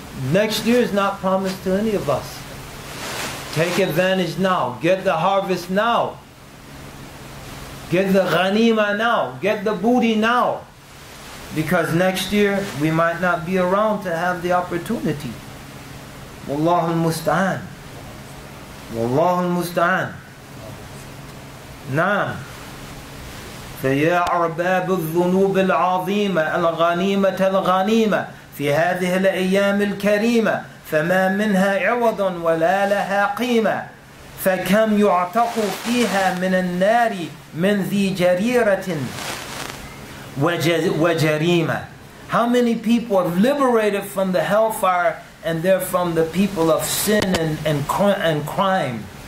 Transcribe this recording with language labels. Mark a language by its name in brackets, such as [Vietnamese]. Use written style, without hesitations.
[English] Next year is not promised to any of us. Take advantage now. Get the harvest now. Get the ghanima now. Get the booty now. Because next year, we might not be around to have the opportunity. [Arabic] Wallahu al-musta'an. والله المستعان نعم فيا أرباب الذنوب العظيمة الغنيمة الغنيمة في هذه الأيام الكريمة فما منها عوض ولا لها قيمة فكم يعتق فيها من النار من ذي جريرة وجريمة. [English] How many people are liberated from the hellfire and they're from the people of sin and crime.